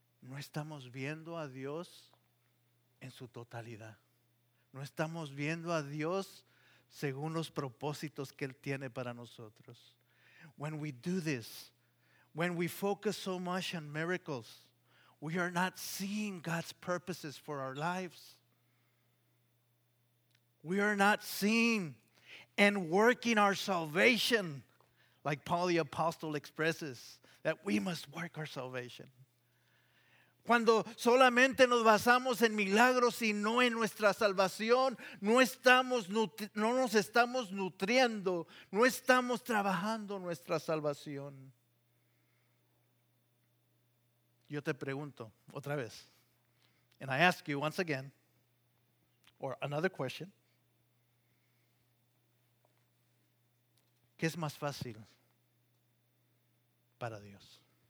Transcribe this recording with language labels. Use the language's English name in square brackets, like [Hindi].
[Spanish] No estamos viendo a Dios en su totalidad. No estamos viendo a Dios según los propósitos que Él tiene para nosotros. [English] When we do this, when we focus so much on miracles, we are not seeing God's purposes for our lives. We are not seeing and working our salvation, like Paul the Apostle expresses, that we must work our salvation. [Spanish] Cuando solamente nos basamos en milagros y no en nuestra salvación, no nos estamos nutriendo, no estamos trabajando nuestra salvación. Yo te pregunto otra vez, [English] and I ask you once again, or another question, [Spanish] ¿qué es más fácil para Dios?